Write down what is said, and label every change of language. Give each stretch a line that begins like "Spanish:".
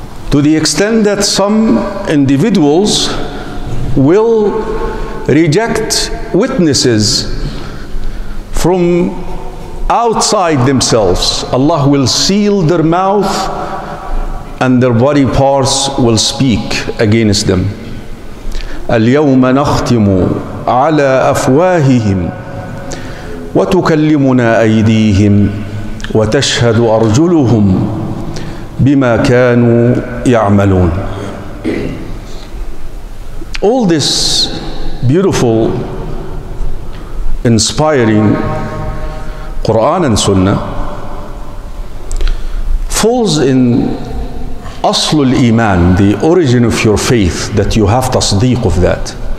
English: To the extent that some individuals will reject witnesses from outside themselves. Allah will seal their mouth and their body parts will speak against them.
Arabic: اليوم نختم على أفواههم وتكلمنا أيديهم وتشهد أرجلهم بما كانوا يعملون.
English: All this beautiful, inspiring Quran and Sunnah falls in
Arabic: أصل الإيمان,
English: the origin of your faith, that you have تصديق of that.